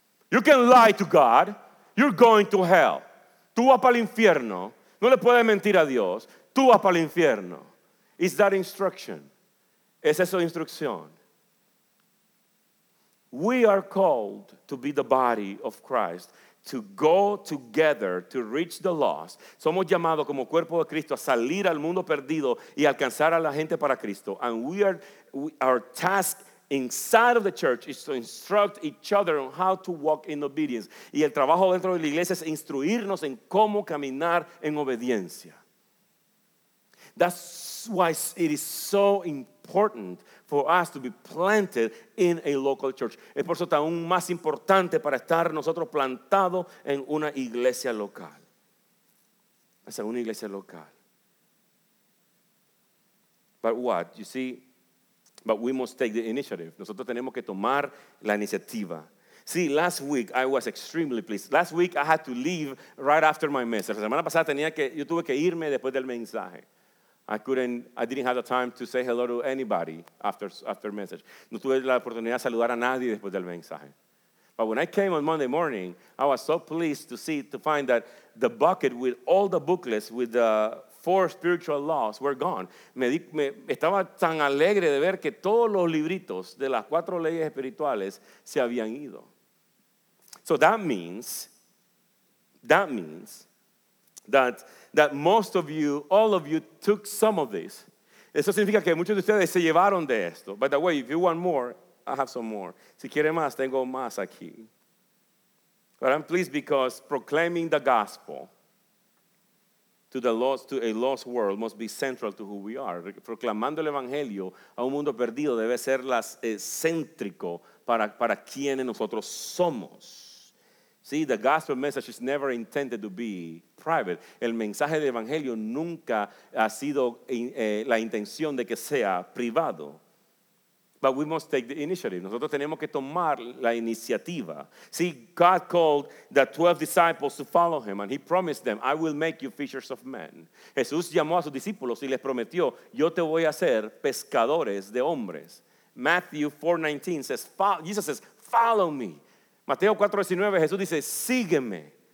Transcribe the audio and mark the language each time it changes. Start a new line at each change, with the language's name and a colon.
English: You can lie to God. You're going to hell.
Spanish: Tú vas para el infierno. No le puedes mentir a Dios. Tú vas para el infierno.
English: It's that instruction.
Spanish: Esa es su instrucción.
English: We are called to be the body of Christ, to go together to reach the lost.
Spanish: Somos llamados como cuerpo de Cristo a salir al mundo perdido y alcanzar a la gente para Cristo.
English: And our task inside of the church is to instruct each other on how to walk in obedience.
Spanish: Y el trabajo dentro de la iglesia es instruirnos en cómo caminar en obediencia.
English: That's why it is so important for us to be planted in a local church.
Spanish: Es por eso aún más importante para estar nosotros plantados en una iglesia local. Es una iglesia local.
English: But what? You see, But we must take the initiative.
Spanish: Nosotros tenemos que tomar la iniciativa.
English: See, last week I was extremely pleased. Last week I had to leave right after my message.
Spanish: La semana pasada tuve que irme después del mensaje.
English: I didn't have the time to say hello to anybody after message.
Spanish: No tuve la oportunidad de saludar a nadie después del mensaje.
English: But when I came on Monday morning, I was so pleased to find that the bucket with all the booklets with the four spiritual laws were gone.
Spanish: Estaba tan alegre de ver que todos los libritos de las cuatro leyes espirituales se habían ido.
English: So that means that most of you, all of you, took some of this.
Spanish: Eso significa que muchos de ustedes se llevaron de esto.
English: By the way, if you want more, I have some more.
Spanish: Si quiere más, tengo más aquí.
English: But I'm pleased because proclaiming the gospel to a lost world must be central to who we are.
Spanish: Proclamando el evangelio a un mundo perdido debe ser céntrico para quienes nosotros somos.
English: See, the gospel message is never intended to be private.
Spanish: El mensaje del evangelio nunca ha sido la intención de que sea privado.
English: But we must take the initiative.
Spanish: Nosotros tenemos que tomar la iniciativa.
English: See, God called the 12 disciples to follow him, and he promised them, I will make you fishers of men.
Spanish: Jesús llamó a sus discípulos y les prometió, yo te voy a hacer pescadores de hombres.
English: Matthew 4:19 says, Jesus says, follow me.
Spanish: Mateo 4:19, Jesús dice, sígueme.